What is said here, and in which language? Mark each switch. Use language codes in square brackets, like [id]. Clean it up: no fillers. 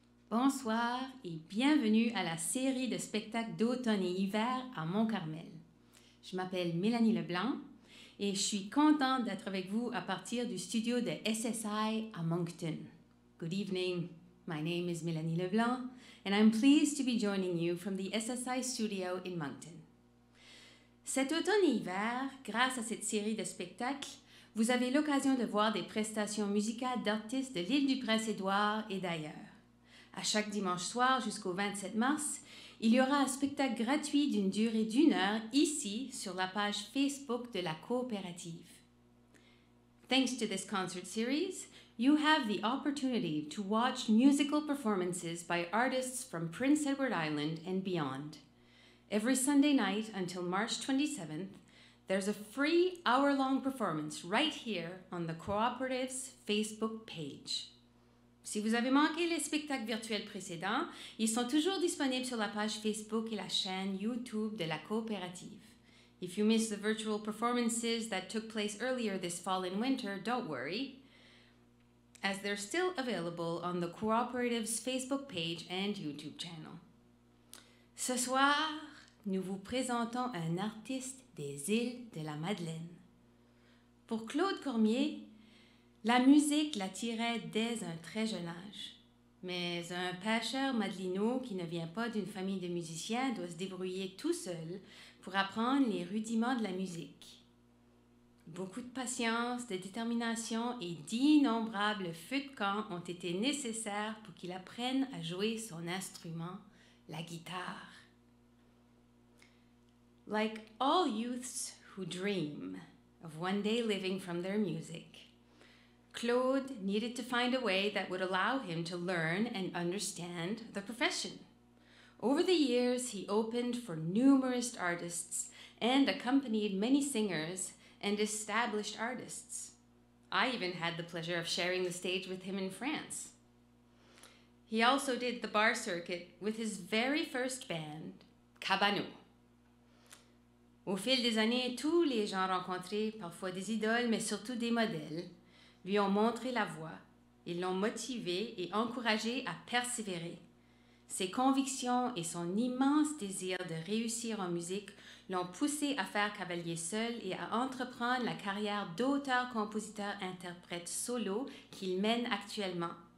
[fr] Bonsoir et bienvenue à la série de spectacles d'automne et hiver à Mont-Carmel. Je m'appelle Mélanie Leblanc et je suis contente d'être avec vous à partir du studio de SSI à Moncton. [en] Good evening, my name is Mélanie Leblanc and I'm pleased to be joining you from the SSI studio in Moncton. [fr] Cet automne et hiver, grâce à cette série de spectacles, vous avez l'occasion de voir des prestations musicales d'artistes de l'Île-du-Prince-Édouard et d'ailleurs. À chaque dimanche soir jusqu'au 27 mars, il y aura un spectacle gratuit d'une durée d'une heure ici sur la page Facebook de la coopérative. [en] Thanks to this concert series, you have the opportunity to watch musical performances by artists from Prince Edward Island and beyond. Every Sunday night until March 27th, there's a free hour-long performance right here on the cooperative's Facebook page. [fr] Si vous avez manqué les spectacles virtuels précédents, ils sont toujours disponibles sur la page Facebook et la chaîne YouTube de la coopérative. [en] If you miss the virtual performances that took place earlier this fall and winter, don't worry, as they're still available on the cooperative's Facebook page and YouTube channel. [fr] Ce soir, nous vous présentons un artiste des îles de la Madeleine. Pour Claude Cormier, la musique l'attirait dès un très jeune âge, mais un pêcheur madelinot qui ne vient pas d'une famille de musiciens doit se débrouiller tout seul pour apprendre les rudiments de la musique. Beaucoup de patience, de détermination et d'innombrables feux de camp ont été nécessaires pour qu'il apprenne à jouer son instrument, la guitare. [en] Like all youths who dream of one day living from their music, Claude needed to find a way that would allow him to learn and understand the profession. Over the years, he opened for numerous artists and accompanied many singers and established artists. I even had the pleasure of sharing the stage with him in France. He also did the bar circuit with his very first band, Cabano. [fr] Au fil des années, tous les gens rencontrés, parfois des idoles, mais surtout des modèles, lui ont montré la voie, ils l'ont motivé et encouragé à persévérer. Ses convictions et son immense désir de réussir en musique l'ont poussé à faire cavalier seul et à entreprendre la carrière d'auteur-compositeur-interprète solo qu'il mène actuellement.